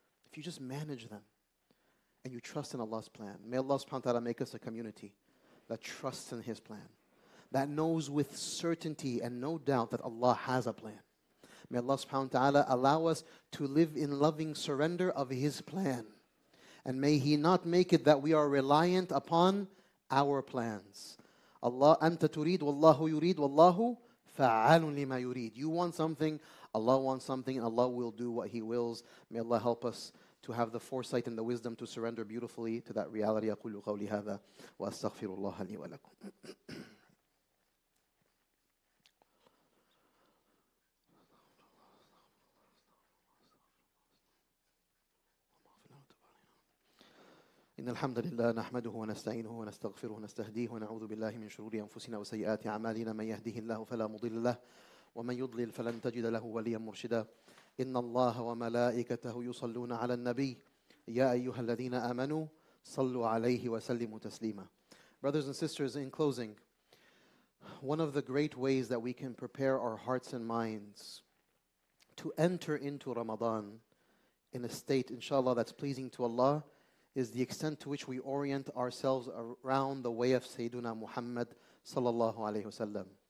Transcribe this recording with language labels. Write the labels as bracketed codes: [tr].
[en] If you just manage them and you trust in Allah's plan, may Allah subhanahu wa ta'ala make us a community that trusts in His plan, that knows with certainty and no doubt that Allah has a plan. May Allah subhanahu wa ta'ala allow us to live in loving surrender of His plan. And may He not make it that we are reliant upon our plans. [ar] Allah, أنت تريد والله يريد والله فعال لما يريد. [en] You want something, Allah wants something, and Allah will do what He wills. May Allah help us to have the foresight and the wisdom to surrender beautifully to that reality. [ar] أقول قولي هذا وأستغفر الله لي ولكم. إن الحمد لله نحمده ونستعينه ونستغفره ونستهديه ونعوذ بالله من شرور أنفسنا وسيئات أعمالنا من يهده الله فلا مضل له ومن يضلل فلن تجد له وليا مرشدا إن الله وملائكته يصلون على النبي يا أيها الذين آمنوا صلوا عليه وسلموا تسليما. [en] Brothers and sisters, in closing, one of the great ways that we can prepare our hearts and minds to enter into Ramadan in a state, inshallah, that's pleasing to Allah is the extent to which we orient ourselves around the way of Sayyiduna Muhammad sallallahu alayhi wasallam.